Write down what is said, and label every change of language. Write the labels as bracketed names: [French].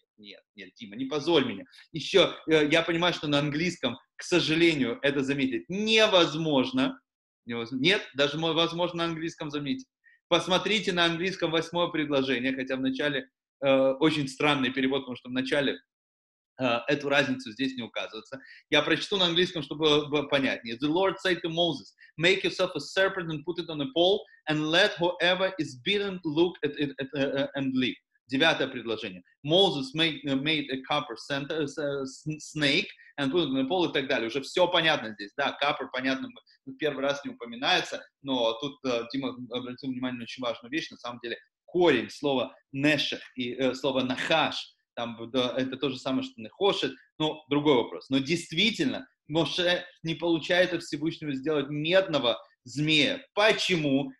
[Russian] Нет, Дима, не позорь меня. Еще, я понимаю, что на английском, к сожалению, это заметить невозможно. Нет, даже возможно на английском заметить. Посмотрите на английском восьмое предложение, хотя вначале очень странный перевод, потому что вначале эту разницу здесь не указывается. Я прочту на английском, чтобы было понятнее. [English] The Lord said to Moses, make yourself a serpent and put it on a pole and let whoever is bitten look at it and live. [Russian] Девятое предложение. [English] Moses made a copper snake and put it on the pole [Russian] и так далее. Уже все понятно здесь. Да, copper, понятно, первый раз не упоминается, но тут Дима обратил внимание на очень важную вещь. На самом деле корень слова «нешех» и слова «нахаш» там, да, это то же самое, что «нехошет». Но другой вопрос. Но действительно, Моше не получает от Всевышнего сделать медного змея. Почему?